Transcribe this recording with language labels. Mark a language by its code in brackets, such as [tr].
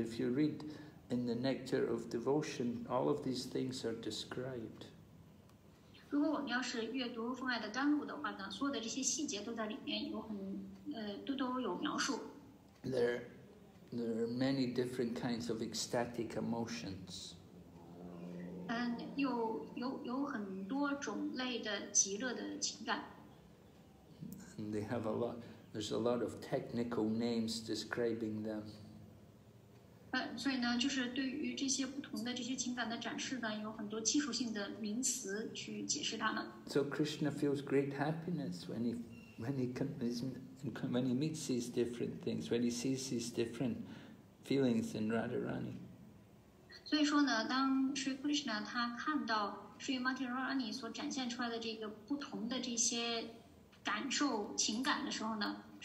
[en] If you read in the Nectar of Devotion, all of these things are described. [zh] 如果我们要是阅读《风爱的甘露》的话呢，所有的这些细节都在里面有很都有描述。 [en] There are many different kinds of ecstatic emotions. [zh] 有很多种类的极乐的情感。 [en] And they have a lot. There's a lot of technical names describing them. [zh] 所以呢，就是对于这些不同的这些情感的展示呢，有很多技术性的名词去解释它们。 [en] So Krishna feels great happiness when he meets these different things, when he sees these different feelings in Radharani. [zh] 所以说呢，当 Sri Krishna 他看到 Sri Mati Radharani 所展现出来的这个不同的这些感受情感的时候呢。